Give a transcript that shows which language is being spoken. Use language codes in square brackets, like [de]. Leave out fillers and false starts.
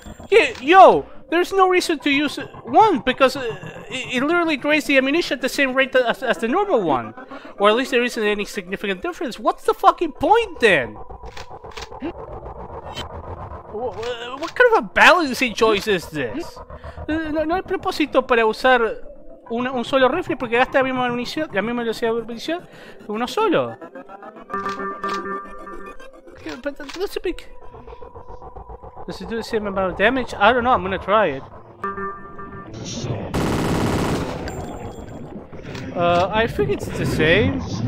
[en] Yeah, yo, there's no reason to use one because it literally drains the ammunition at the same rate as the normal one. Or at least there isn't any significant difference. What's the fucking point then? What kind of a balancing choice is this? [es] No hay propósito para usar un solo rifle porque gasta la misma munición, la misma velocidad de munición que uno solo. [en] Does it do the same amount of damage? I don't know, I'm gonna try it. I think it's the same.